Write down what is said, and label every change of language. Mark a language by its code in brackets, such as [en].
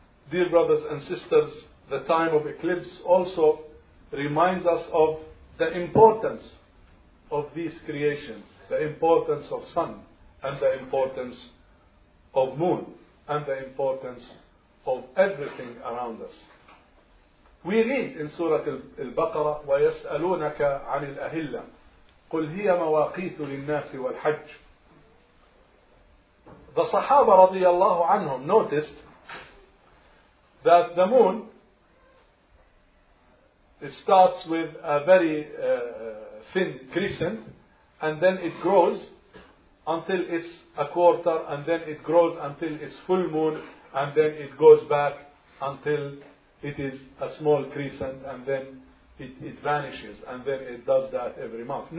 [en] Dear brothers and sisters, the time of eclipse also reminds us of the importance of these creations, the importance of sun, and the importance of moon, and the importance of everything around us. We read in Surah Al-Baqarah, [ar] وَيَسْأَلُونَكَ عَنِ الْأَهِلَّةِ قُلْ هِيَ مَوَاقِيتُ لِلنَّاسِ وَالْحَجِّ. [en] The Sahaba [ar] رضي الله عنهم [en] noticed that the moon, it starts with a very thin crescent, and then it grows until it's a quarter, and then it grows until it's full moon, and then it goes back until it is a small crescent, and then it vanishes, and then it does that every month.